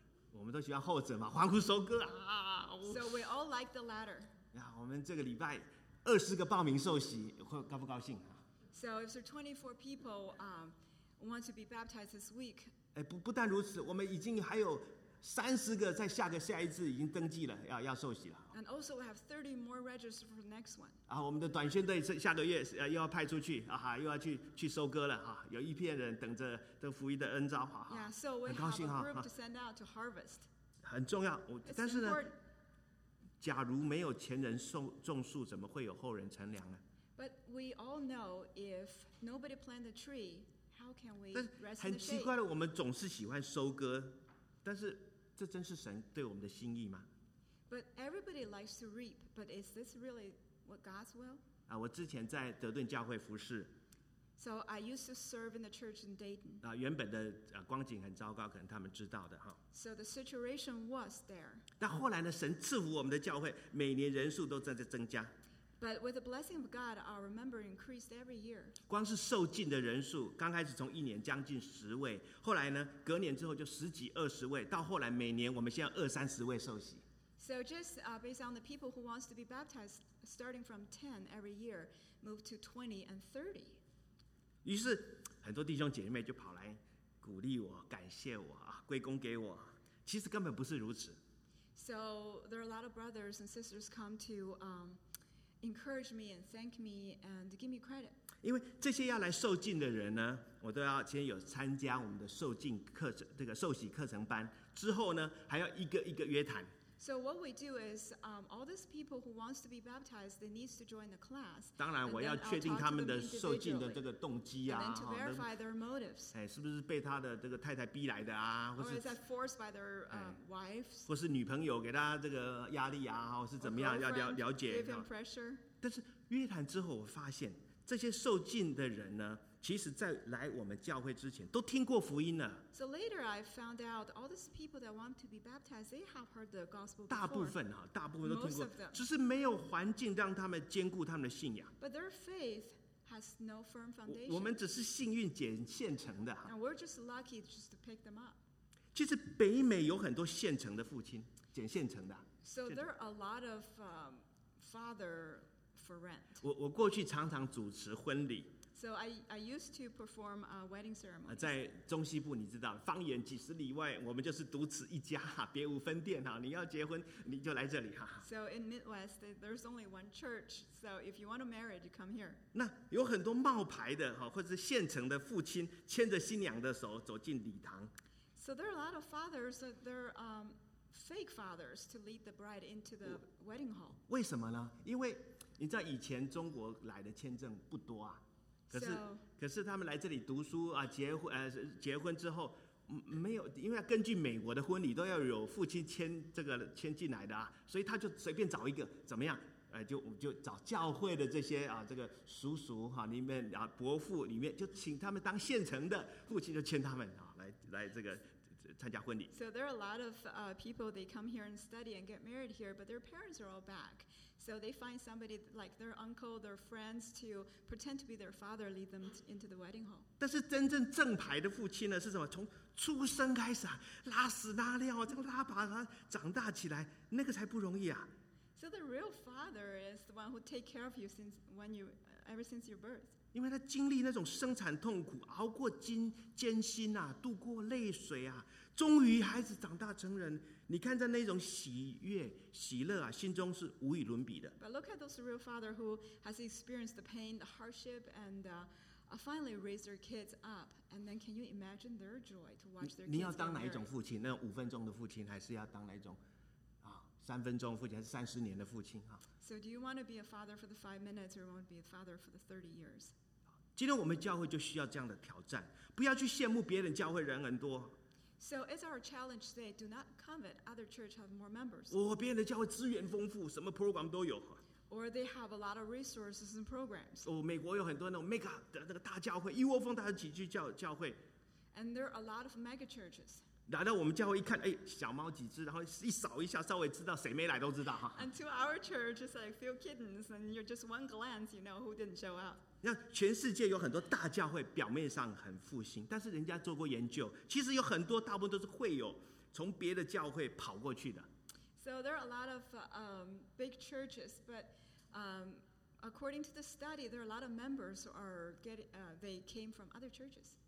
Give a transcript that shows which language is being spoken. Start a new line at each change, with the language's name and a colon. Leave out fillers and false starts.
Chinese: 我们都喜欢后者嘛，欢呼收割啊。
English: So we all like the latter.
Chinese: 呀，我们这个礼拜20个报名受洗，会高不高兴
English: ？So if there are 24 people want to be baptized this week.
Chinese: 不但如此，我们已经还有30个在下一次已经登记了，要受洗了。
English: And also we have 30 more registered for the next one.
Chinese: 我们的短宣队下个月又要派出去，又要去收割了，有一片人等着这福音的恩召。
English: Yeah, so we have a group to send out to harvest.
Chinese: 很重要，但是呢，假如没有前人种树，怎么会有后人乘凉呢？
English: But we all know if nobody planted the tree,How can we rest
Chinese: 很奇怪的，我们总是喜欢收割，但是这真是神对我们的心意吗
English: ？But everybody likes to reap, but is this really what God's will?
Chinese: 我之前在德顿教会服事。
English: So I used to serve in the church in Dayton.
Chinese: 原本的光景很糟糕，可能他们知道的哈。
English: So the situation was there.
Chinese: 但后来呢，神赐福我们的教会，每年人数都在增加。
English: But with the blessing of God, our member increased every year.
Chinese: 光是受浸的人数，刚开始从一年将近十位，后来呢，隔年之后就十几、二十位，到后来每年我们现在二三十位受洗。
English: So just based on the people who wants to be baptized, starting from 10 every year, move to 20 and 30.
Chinese: 于是很多弟兄姐妹就跑来鼓励我、感谢我、归功给我。其实根本不是如此。
English: So there are a lot of brothers and sisters come to encourage me and thank me and give me credit.
Chinese: 因为这些要来受浸的人呢，我都要先有参加我们的受浸课程，这个受洗课程班之后呢，还要一个一个约谈。
English: So what we do is, all these people who wants to be baptized, they need to join the class.
Chinese: 当然，我要确定他们的受浸的这个动机啊，
English: and then to verify their motives.
Chinese: 哎，是不是被他的这个太太逼来的啊？或是
English: or is that forced by their wives?
Chinese: 或是女朋友给他这个压力啊？哈，是怎么样？要了解。
English: Give him pressure.
Chinese: 但是约谈之后，我发现这些受浸的人呢，其实在来我们教会之前都听过福音了。
English: So later I found out all these people that want to be baptized, they have heard the gospel before.
Chinese: 大部分啊，大部分都听过，只是没有环境让他们坚固他们的信仰。
English: But their faith has no firm foundation.
Chinese: 我们只是幸运捡现成的。
English: And we're just lucky just to pick them up.
Chinese: 其实北美有很多现成的父亲，捡现成的。
English: So there are a lot of father for rent.
Chinese: 我过去常常主持婚礼。
English: So I used to perform a wedding ceremony.
Chinese: 在中西部，你知道，方圆几十里外，我们就是独此一家，别无分店哈。你要结婚，你就来这里哈。
English: So in Midwest, there's only one church. So if you want to marry, you come here.
Chinese: 那有很多冒牌的哈，或者是现成的父亲牵着新娘的手走进礼堂。
English: So there are a lot of fathers that they're fake fathers to lead the bride into the wedding hall.
Chinese: 为什么呢？因为你知道以前中国来的签证不多啊。可是他们来这里读书啊，结婚之后没有，因为根据美国的婚礼都要有父亲签进来的啊，所以他就随便找一个怎么样，就找教会的这些啊，这个叔叔哈、啊、里面啊，伯父里面就请他们当现成的父亲，就签他们啊，来这个参加婚礼。
English: So there are a lot of people they come here and study and get married here, but their parents are all back. So they find somebody like their uncle, their friends to pretend to be their father, lead them into the wedding hall.
Chinese: 但是真正正牌的父亲呢，是什么？从出生开始啊，拉屎拉尿啊，这样拉把他长大起来，那个才不容易啊。
English: So the real father is the one who take care of you since when you, ever since your birth.
Chinese: 因为他经历那种生产痛苦，熬过艰辛啊，度过泪水啊，终于孩子长大成人。你看在那种喜悦喜乐啊，心中是无与伦比的。
English: But look at those real father who has experienced the pain, the hardship, and finally raised their kids up. And then can you imagine their joy to watch their kids?
Chinese: 你要当哪一种父亲？那五分钟的父亲，还是要当哪一种啊？三分钟父亲，还是三十年的父亲啊
English: ？So do you want to be a father for the 5 minutes, or want to be a father for the 30 years?
Chinese: 今天我们教会就需要这样的挑战，不要去羡慕别人教会人很多。
English: So it's our challenge today. Do not covet other church have more members.
Chinese: 哦，别人的教会资源丰富，什么 program 都有。
English: Or they have a lot of resources and programs.
Chinese: 哦，美国有很多那种 mega 的那个大教会，一窝蜂大家挤去教会。
English: And there are a lot of mega churches.
Chinese: 来到我们教会一看，哎，小猫几只，然后一扫一下，稍微知道谁没来都知道哈。
English: And to our church, it's like few kittens, and you're just one glance, you know who didn't show up.
Chinese: 那全世界有很多大教会，表面上很复兴，但是人家做过研究，其实有很多大部分都是会友从别的教会跑过去的。
English: So there are a lot of big churches, but according to the study, there are a lot of members are they came from other churches.